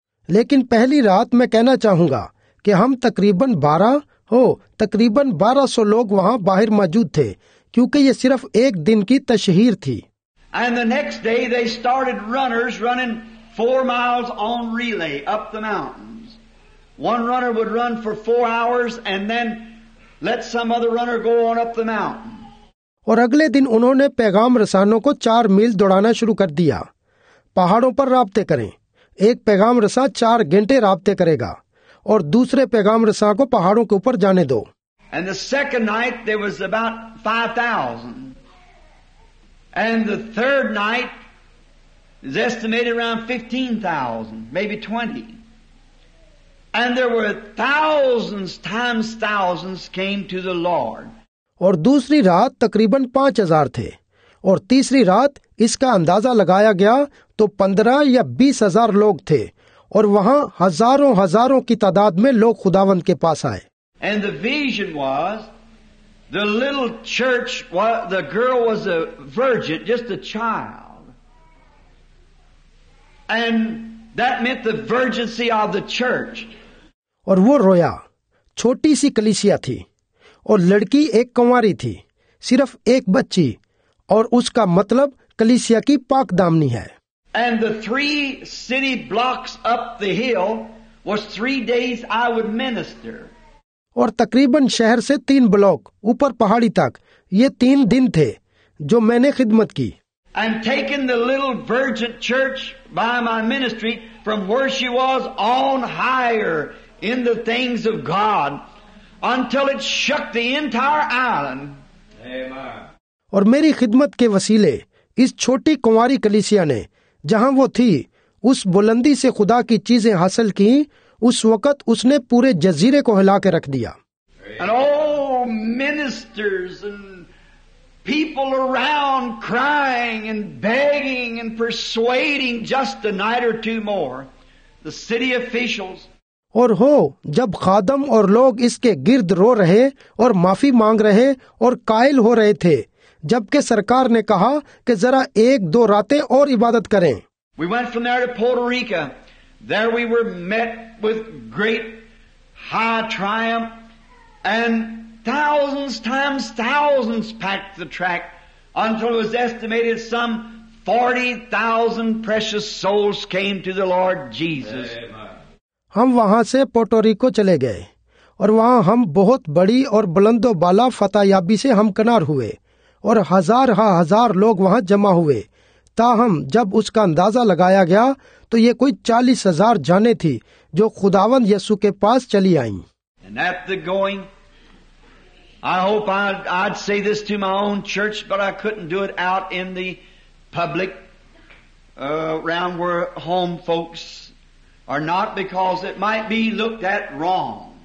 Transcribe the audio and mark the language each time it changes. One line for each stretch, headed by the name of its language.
Hindi: लेकिन पहली रात मैं कहना चाहूँगा कि हम तकरीबन 1,200 लोग वहाँ बाहर मौजूद थे क्योंकि ये सिर्फ एक दिन की तशहीर थी.
English: And the next day they started runners running 4 miles on relay up the mountains. One runner would run for 4 hours and then let some other runner go on up the mountain.
Hindi: और अगले दिन उन्होंने पैगाम रसानों को 4 मील दौड़ाना शुरू कर दिया. पहाड़ों पर राबते करें, एक पैगाम रसा 4 घंटे राबते करेगा और दूसरे पैगाम रसा को पहाड़ों के ऊपर जाने दो.
English: And the second night there was about 5,000. And the third night is estimated around 15,000, maybe 20. And there were thousands times thousands came to the Lord.
Hindi: और दूसरी रात तकरीबन 5,000 थे और तीसरी रात इसका अंदाजा लगाया गया तो 15,000 या 20,000 लोग थे और वहाँ हजारों हजारों की तादाद में लोग खुदावंद के पास आए.
English: And the vision was the little church, the girl was a virgin, just a child. And that meant the virginity of the church.
Hindi: और वो रोया, छोटी सी कलीसिया थी और लड़की एक कुंवारी थी, सिर्फ एक बच्ची, और उसका मतलब कलीसिया की पाक दामनी है.
English: And the 3 city blocks up the hill was 3 days I would minister.
Hindi: और तकरीबन शहर से 3 ब्लॉक ऊपर पहाड़ी तक ये 3 दिन थे जो मैंने खिदमत की.
English: And taking the little virgin church by my ministry from where she was on higher in the things of God. Until it shook the entire island. Amen.
Hindi: और मेरी खिदमत के वसीले इस छोटी कुंवारी कलीसिया ने जहां वो थी उस बुलंदी से खुदा की चीजें हासिल की. उस वक़्त उसने पूरे जजीरे को हिला के रख दिया.
English: And ministers and people around crying and begging and persuading just a night or two more. The city officials.
Hindi: और हो जब खादम और लोग इसके गिर्द रो रहे और माफी मांग रहे और कायल हो रहे थे जबकि सरकार ने कहा कि जरा 1-2 रातें और इबादत करें.
English: We went from there to Puerto Rico. There we were met with great high triumph and thousands times thousands packed the track until it was estimated some 40,000 precious souls came to the Lord Jesus. Amen.
Hindi: हम वहां से Puerto Rico चले गए और वहां हम बहुत बड़ी और बुलंदो बाला फतायाबी से हमकनार हुए और हजार हजार लोग वहां जमा हुए. ताहम जब उसका अंदाजा लगाया गया तो ये कोई 40,000 जाने थी जो खुदावंद यीशु के पास चली आईं.
English: And at the going, I hope I'd say this to my own church, but I couldn't do it out in the public, around where home folks. Or not because it might be looked at wrong.